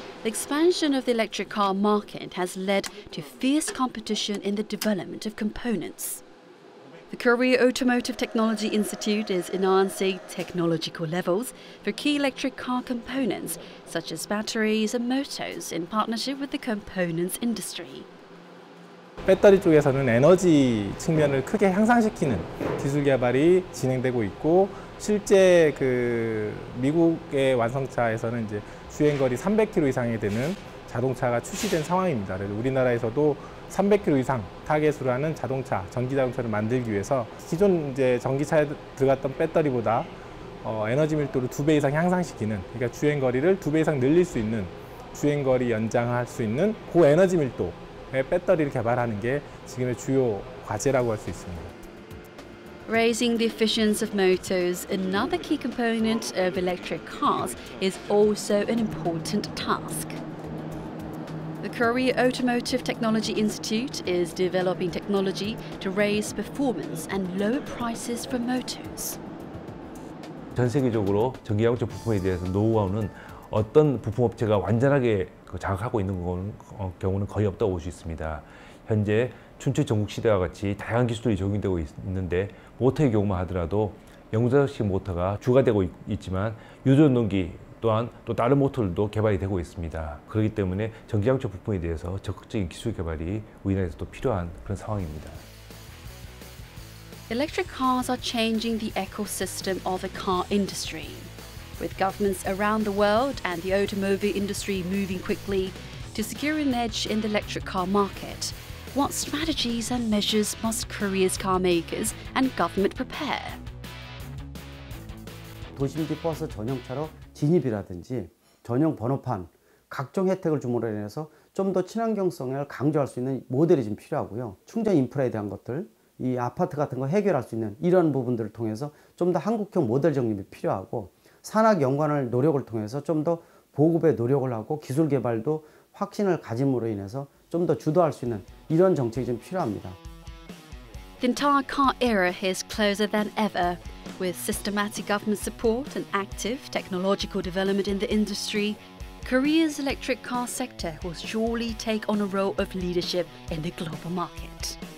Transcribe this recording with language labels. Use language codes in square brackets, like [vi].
[en] The expansion of the electric car market has led to fierce competition in the development of components. The Korea Automotive Technology Institute is enhancing technological levels for key electric car components, such as batteries and motors, in partnership with the components industry. [ko] 배터리 쪽에서는 에너지 측면을 크게 향상시키는 기술 개발이 진행되고 있고 실제 그 미국의 완성차에서는 이제 주행거리 300km 이상이 되는 자동차가 출시된 상황입니다. 그래서 우리나라에서도 300km 이상 타겟으로 하는 자동차, 전기자동차를 만들기 위해서 기존 이제 전기차에 들어갔던 배터리보다 에너지 밀도를 2배 이상 향상시키는 그러니까 주행거리를 2배 이상 늘릴 수 있는 주행거리 연장할 수 있는 고에너지 밀도 배터리를 개발하는 게 지금의 주요 과제라고 할 수 있습니다. [en] Raising the efficiency of motors, another key component of electric cars, is also an important task. The Korea Automotive Technology Institute is developing technology to raise performance and lower prices for motors. [ko] 전 세계적으로 전기자동차 부품에 대해서 노하우는 어떤 부품업체가 완전하게 장악하고 있는 경우는 거의 없다고 볼 수 있습니다. 현재 춘추 전국시대와 같이 다양한 기술이 적용되고 있는데 모터의 경우만 하더라도 연구자식 모터가 주가 되고 있지만 유전동기 또한 또 다른 모터들도 개발이 되고 있습니다. 그렇기 때문에 전기장치 부품에 대해서 적극적인 기술 개발이 우리나라에서도 필요한 그런 상황입니다. [en] Electric cars are changing the ecosystem of the car industry. With governments around the world and the automobile industry moving quickly to secure an edge in the electric car market, what strategies and measures must Korea's car makers and government prepare? [ko] 도심지 버스 전용차로 진입이라든지 전용 번호판, 각종 혜택을 주므로 인해서 좀 더 친환경성을 강조할 수 있는 모델이 좀 필요하고요. 충전 인프라에 대한 것들, 이 아파트 같은 거 해결할 수 있는 이런 부분들을 통해서 좀 더 한국형 모델 정립이 필요하고 산학 연관을 노력을 통해서 좀 더 보급에 노력을 하고 기술 개발도 확신을 가짐으로 인해서 좀 더 주도할 수 있는 이런 정책이 좀 필요합니다. [en] The entire car era is closer than ever. With systematic government support and active technological development in the industry, Korea's electric car sector will surely take on a role of leadership in the global market.